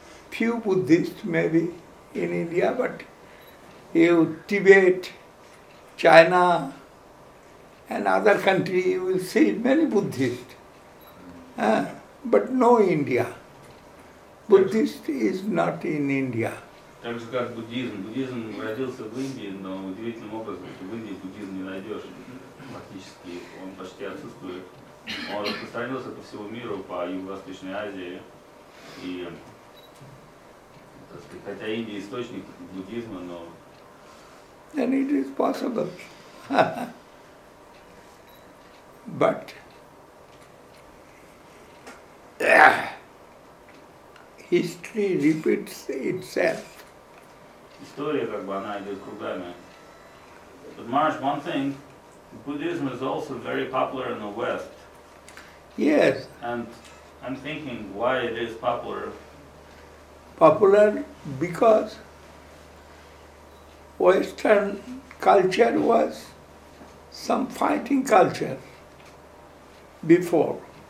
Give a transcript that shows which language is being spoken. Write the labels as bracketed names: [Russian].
[English] Few Buddhists maybe in India, but you Tibet, China, and other country, you will see many Buddhists. But no India. Buddhist is not in India. [Russian] Так же как буддизм. Буддизм родился в Индии, но удивительным образом, что в Индии буддизм не найдешь. Фактически он почти отсутствует. Он распространился по всему миру, по Юго-Восточной Азии. И, так сказать, хотя Индия источник буддизма, но... [English] Then it is possible. But... History repeats itself. [Russian] История как бы она идет кругами. [English] But Marsh, one thing, Buddhism is also very popular in the West. Yes. And I'm thinking why it is popular. Popular because Western culture was some fighting culture before.